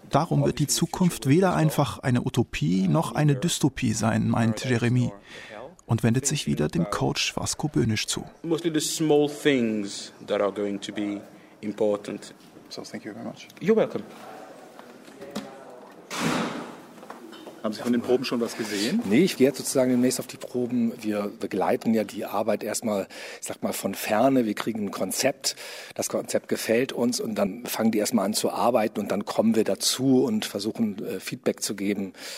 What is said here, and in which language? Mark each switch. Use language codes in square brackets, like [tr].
[de] darum wird die Zukunft weder einfach eine Utopie noch eine Dystopie sein, meint Jeremy, und wendet sich wieder dem Coach Vasco Bönisch zu. [en] Mostly the small things that are going to be important. So, thank you very much. You're welcome. [de] Haben Sie von den Proben schon was gesehen? Nee, ich gehe jetzt sozusagen demnächst auf die Proben. Wir begleiten ja die Arbeit erstmal, ich sag mal, von Ferne. Wir kriegen ein Konzept. Das Konzept gefällt uns und dann fangen die erstmal an zu arbeiten und dann kommen wir dazu und versuchen Feedback zu geben,